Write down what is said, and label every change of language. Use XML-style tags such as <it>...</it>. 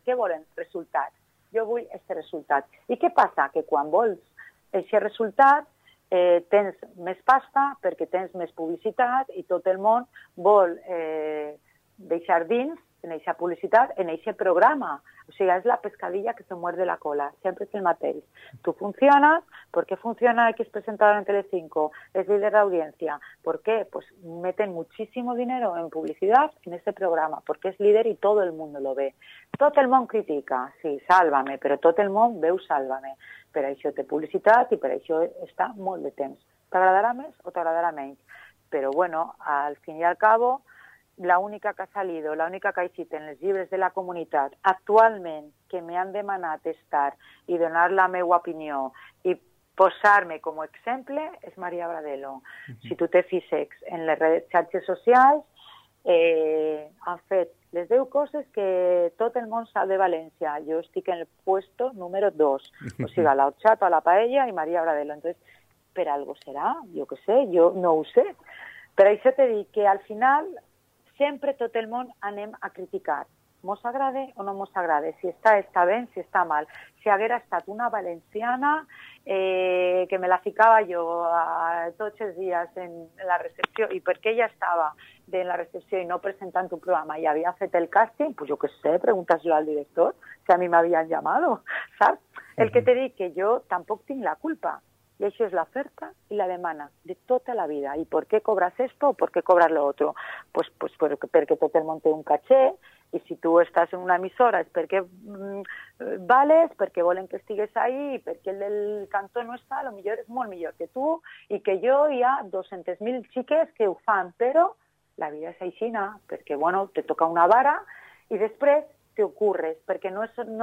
<ca>Què volen? Resultat. Jo vull aquest resultat. I què passa? Que quan vols aquest resultat, tens més pasta perquè tens més publicitat i tot el món vol deixar dins en aquesta publicitat, en aquest programa. O sigui, és la</ca> <es>pescadilla que se muerde la cola.</es> <ca>Sempre és el mateix.</ca> <es>Tu funcionas, ¿por qué funciona que es presentado en Telecinco? Es líder de audiencia. ¿Por qué? Pues meten muchísimo dinero en publicidad en ese programa, porque es líder y todo el mundo lo ve. Todo el mundo critica, sí, Sálvame, pero todo el mundo veu Sálvame.</es> <ca>Per això té publicitat i per això està molt de temps. T'agradarà més o t'agradarà menys? Però bueno,</ca> <es>al fin y al cabo, la única que ha salido, la única que ha hecho en</es> <ca>els llibres de la comunitat actualment que me han demanat estar i donar la meva opinió i posar-me com a exemple és Maria Bradelo. Si tu te fixes en les xarxes socials, han fet les 10 coses que tot el món sap de València. Jo estic en el puesto número 2. O sigui, a la horchata, a la paella i Maria Bradelo. Entonces, per algo serà, jo què sé, jo no ho sé. Però això te dic que al final sempre tot el món anem a criticar. Mos agrade o no mos agrade, si està bé, si està mal. Si haguera estat una valenciana que me la ficava jo tots els dies en la recepció i perquè ella estava en la recepció i no presentant un programa i havia fet el càsting, pues jo què sé, preguntes-lo al director, si a mi m'havien llamado, saps? Uh-huh. El que te dic que jo tampoc tinc la culpa. I això és l'oferta i la demanda de tota la vida. I per què</ca> <es>cobras esto</es> <ca>o per què cobras</ca> <es>lo otro?</es> <ca>Pues perquè tot el món té un caché. I si tu estàs en una emissora és perquè vales, perquè volen que estigues ahí, perquè el del cantó no està, lo millor és molt millor que tu i que jo hi ha 200.000 xiques que ho fan, però la vida és aixina, perquè, bueno, te toca una vara i després te ocurres, perquè no és</ca>